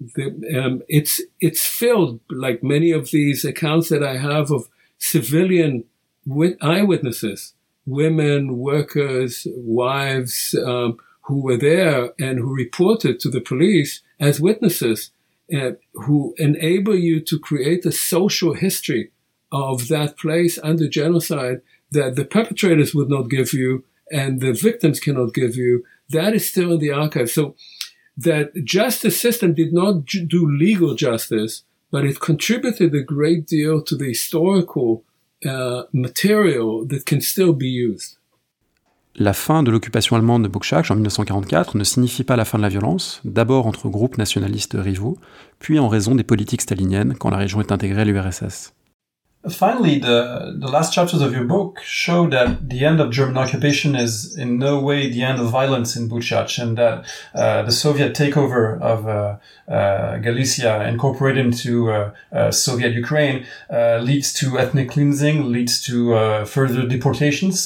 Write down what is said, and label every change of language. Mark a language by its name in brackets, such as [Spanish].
[English] It's filled, like many of these accounts that I have of civilian eyewitnesses, women, workers, wives, who were there and who reported to the police as witnesses, who enable you to create a social history of that place under genocide that the perpetrators would not give you and the victims cannot give you. That is still in the archive. So that justice system did not do legal justice, but it contributed a great deal to the historical material that can still be used. [French] La fin de l'occupation allemande de Buchach en 1944 ne signifie pas la fin de la violence, d'abord entre groupes nationalistes rivaux, puis en raison des politiques staliniennes quand la région est intégrée à l'URSS. [English] Finally, the last chapters of your book show that the end of German occupation is in no way the end of violence in Buchach, and that the Soviet takeover of Galicia, incorporated into Soviet Ukraine, leads to ethnic cleansing, leads to further deportations.